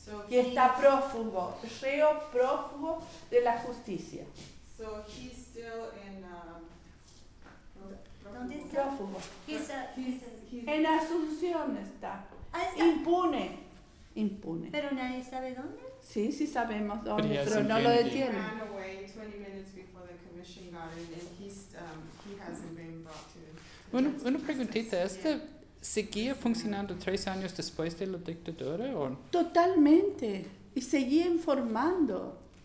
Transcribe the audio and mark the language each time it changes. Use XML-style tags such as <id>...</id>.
<es>Y está prófugo, reo prófugo de la justicia.</es> <en>So he's still in</en> <es>prófugo. En Asunción está. Impune. impune. Pero nadie sabe dónde. Sí, sí sabemos dónde, pero no lo detienen.</es> <en>He ran away 20 minutes before the commission got in, and he's, he hasn't been brought to.</en> <es>Una preguntita, ¿este seguía funcionando 3 años después de la dictadura? ¿O? Totalmente, y seguía informando.</es>